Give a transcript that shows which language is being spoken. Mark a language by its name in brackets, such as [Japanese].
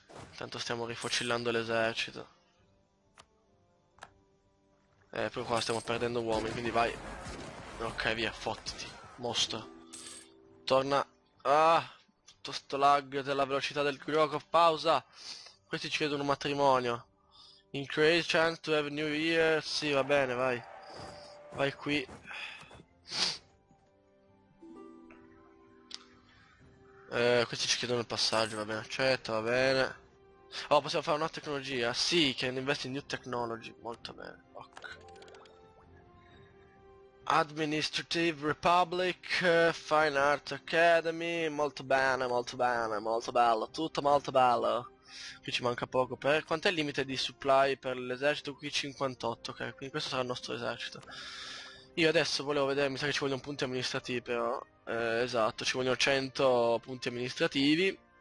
[Italian] Intanto stiamo rifocillando l'esercito. Però qua stiamo perdendo uomini, quindi vai. Ok, via, fottiti. Mostro. Torna. Ah! Tutto sto lag della velocità del gioco. Pausa! Questi ci chiedono un matrimonio. [English] Increase chance to have new year. [Italian] Sì, va bene, vai. Vai qui. Questi ci chiedono il passaggio, va bene. Accetto, va bene. Oh, possiamo fare una tecnologia? [English] Sì, can invest in new technology. [Italian] Molto bene. [English] Ok. Administrative Republic, Fine Arts Academy. [Italian] Molto bene, molto bene, molto bello. Tutto molto bello. Qui ci manca poco per. Quant'è il limite di supply per l'esercito? Qui 58, ok. Quindi questo sarà il nostro esercito. Io adesso volevo vedere, mi sa che ci vogliono punti amministrativi però. Esatto, ci vogliono 100 punti amministrativi.